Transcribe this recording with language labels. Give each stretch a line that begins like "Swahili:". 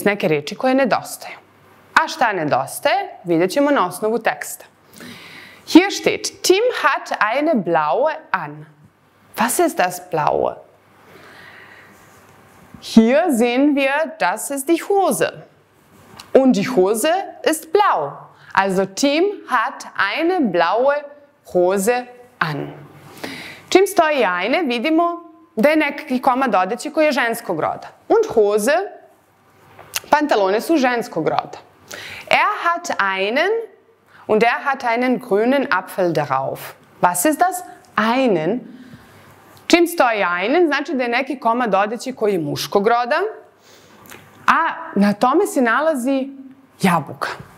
Serbian: Neke reči koje nedostaju. A šta nedostaje, vidjet ćemo na osnovu teksta.
German: Hier steht, Tim hat eine blaue an. Was ist das blaue? Hier sehen wir, das ist die Hose. Und die Hose ist blau. Also Tim hat eine blaue Hose an.
Serbian: Čim stoji eine, vidimo da je nekakvi komad odeće koji je ženskog roda.
German: Und Hose,
Serbian: pantalone su ženskog roda.
German: Er hat einen und er hat einen grünen Apfel darauf. Was ist das? Einen.
Serbian: Čim stoji einen, znači da je neki komad odeće koji je muškog roda, a na tome se nalazi jabuka.